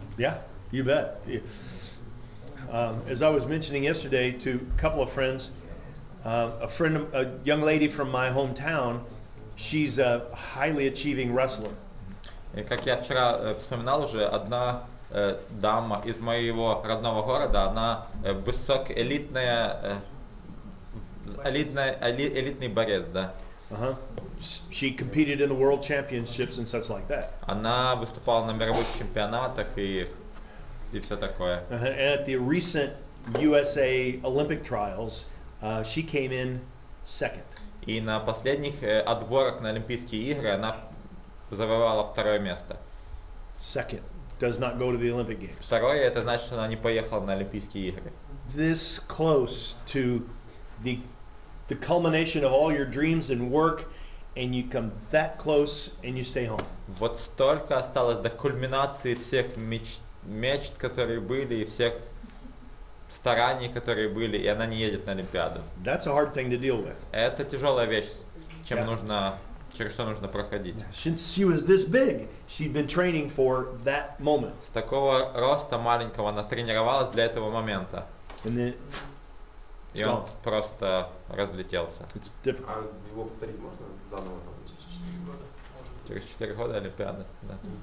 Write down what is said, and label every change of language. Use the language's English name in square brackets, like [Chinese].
[English] Yeah. You bet. As I was mentioning yesterday to a couple of friends, a young lady from my hometown, she's a highly achieving wrestler. [Russian] Как я вчера вспоминал уже, одна дама из моего родного города, она элитный борец, да. [English] She competed in the world championships and such like that. [Russian] Она выступала на мировых чемпионатах и все такое. [English] And at the recent USA Olympic trials, she came in second. [Russian] И на последних отборах на Олимпийские игры она завоевала второе место. [English] Second. Does not go to the Olympic Games. [Russian] Второе, это значит, что она не поехала на Олимпийские игры. [English] This close to the culmination of all your dreams and work, and you come that close and you stay home. [Russian] Вот столько осталось до кульминации всех мечт, которые были, и всех стараний, которые были, и она не едет на Олимпиаду. [English] That's a hard thing to deal with. [Russian] Это тяжелая вещь, чем yeah. нужно. Через что нужно проходить. [English] Since she was this big, she'd been training for that moment. [Russian] С такого роста маленького она тренировалась для этого момента. [English] And then, [Russian] и он просто разлетелся. [English] It's difficult. [Russian] А его повторить можно заново? Через 4 года? Через 4 года Олимпиады, да.